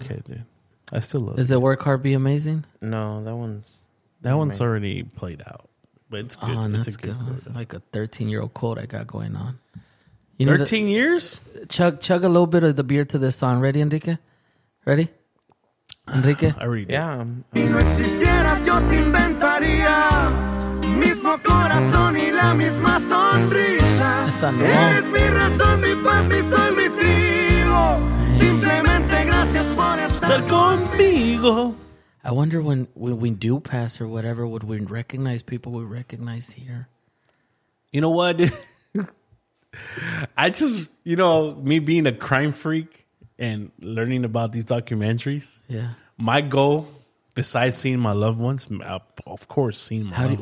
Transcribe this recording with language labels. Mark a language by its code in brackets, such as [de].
[en] It's okay, dude. I still love Is it. Is it Work Hard, Be Amazing? No, that one's... That one's amazing. Already played out, but it's good. Oh, it's that's a good. It's like a 13-year-old quote I got going on. You 13 know the, years? Chug a little bit of the beer to this song. Ready, Enrique? Ready? Enrique? I read it. Yeah. [es] Yo te inventaría mismo corazón y la misma sonrisa. Eres mi razón, mi paz, mi sol, mi trigo. Simplemente gracias por estar conmigo. [en] I wonder when we do pass or whatever, would we recognize people we recognize here? You know what? I just, you know, me being a crime freak and learning about these documentaries. Yeah. My goal, besides seeing my loved ones, of course, seeing my loved ones.